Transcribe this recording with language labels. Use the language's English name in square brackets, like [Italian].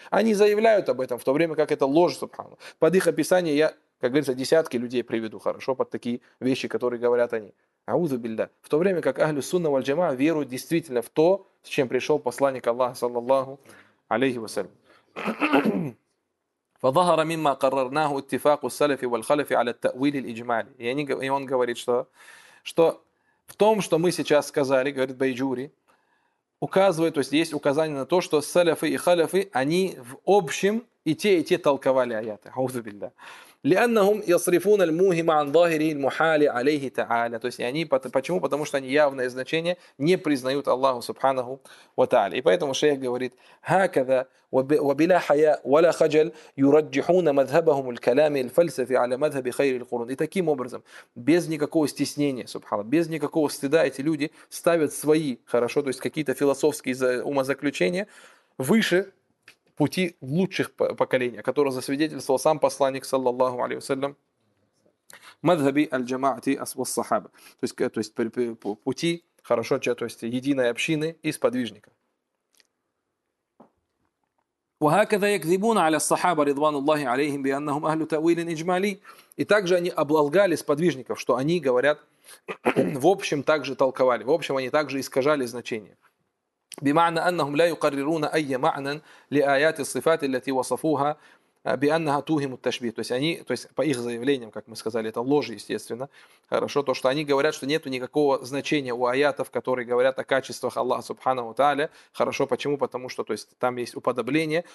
[Russian] Они заявляют об этом, в то время как это ложь, субхану. Под их описание я, как говорится, десятки людей приведу, хорошо, под такие вещи, которые говорят они. Аузу билля. В то время как Ахлю Сунна Аль-Джамаа веруют действительно в то, с чем пришел посланник Аллаха, саллаллаху алейхи ва саллям. [Arabic] فظهر مما قررناه اتفاق السلف والخلف على التأويل الإجمالي. [Russian] И он говорит, что в том, что мы сейчас сказали, говорит Байджури, указывает, то есть есть указание на то, что саляфы и халяфы, они в общем и те толковали аяты. Аузу билля. [Arabic] لأنهم يصرفون المهم عن ظاهره المحال عليه تعالى. [Russian] То есть они, почему? Потому что они явное значение не признают Аллаху Субханаху ва Тааля. И поэтому шейх говорит: [Arabic] هكذا وبلا حياء ولا خجل يرجحون مذهبهم الكلامي الفلسفي على مذهب خير القرون. [Russian] И таким образом, без никакого стеснения, субханаллах, без никакого стыда, эти люди ставят свои, хорошо, то есть какие-то философские умозаключения выше пути лучших поколений, которое засвидетельствовал сам посланник, саллаллаху алейхи ва саллям, [Arabic] мадхаби аль-джама'ати ас-сахаба. [Russian] То есть пути, хорошо, то есть единой общины и сподвижника. [Arabic] وهكذا يكذبون على الصحابة رضوان الله عليهم بأنهم أهل تأويل إجمالي. [Russian] И также они облагали сподвижников, что они говорят, в общем, также толковали. В общем, они также искажали значение. [Arabic] بمعنى أنهم لا يقررون أي معنى لآيات الصفات التي وصفوها بأنها توهم التشبيه. [Russian] То есть они, то есть по их заявлениям, как мы сказали, это ложь, естественно. Хорошо, то, что они говорят, что нету никакого значения у аятов, которые говорят о качествах Аллаха Субханаху ва Тааля. Хорошо, почему? Потому что, то есть там есть уподобление.